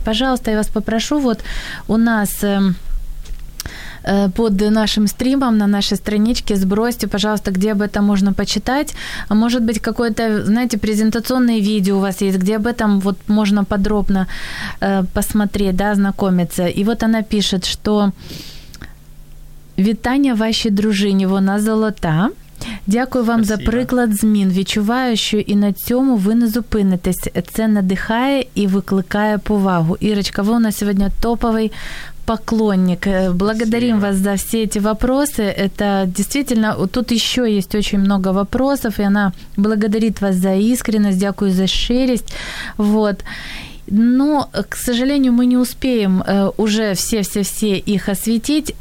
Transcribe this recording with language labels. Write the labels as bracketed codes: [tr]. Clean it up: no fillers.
[ru] Пожалуйста, я вас попрошу, вот у нас под нашим стримом на нашей страничке сбросьте, пожалуйста, где об этом можно почитать. Может быть, какое-то, знаете, презентационное видео у вас есть, где об этом вот можно подробно посмотреть, да, ознакомиться. И вот она пишет, что [uk] «Вітання вашій дружині, вона золота». Дякую вам. [ru] Спасибо. [uk] За приклад змін. Відчуваю, що і на цьому ви не зупинитесь. Це надихає і викликає повагу. Ірочка, ви у нас сьогодні топовий поклонник. [ru] Благодарим вас за все эти вопросы. Это действительно, тут еще есть очень много вопросов, и она благодарит вас за искренность, [uk] дякую за щирість. [ru] Вот. Но, к сожалению, мы не успеем уже все-все-все их осветить.